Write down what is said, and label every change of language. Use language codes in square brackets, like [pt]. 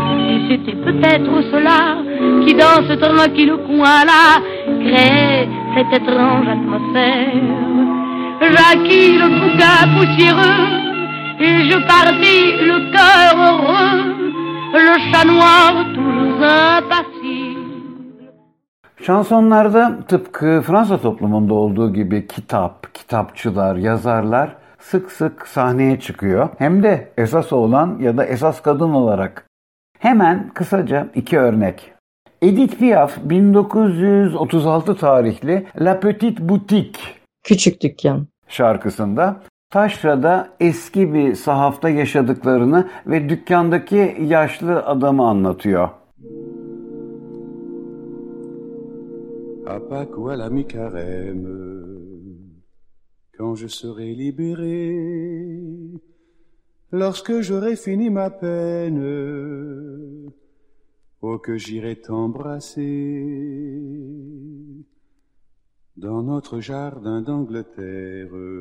[fr] Et c'était peut-être cela qui, dans ce tranquille coin-là, créait cette étrange atmosphère. J'acquis le bouquin poussiéreux et je partis le cœur heureux, le chat noir toujours impatient. [tr] Şansonlarda tıpkı Fransa toplumunda olduğu gibi kitap, kitapçılar, yazarlar sık sık sahneye çıkıyor. Hem de esas oğlan ya da esas kadın olarak. Hemen kısaca iki örnek. Edith Piaf 1936 tarihli La Petite Boutique, küçük dükkan şarkısında taşrada eski bir sahafta yaşadıklarını ve dükkandaki yaşlı adamı anlatıyor. [fr] À Pâques ou à la mi-carême, quand je serai libéré, lorsque j'aurai fini ma peine, oh que j'irai t'embrasser dans notre jardin d'Angleterre.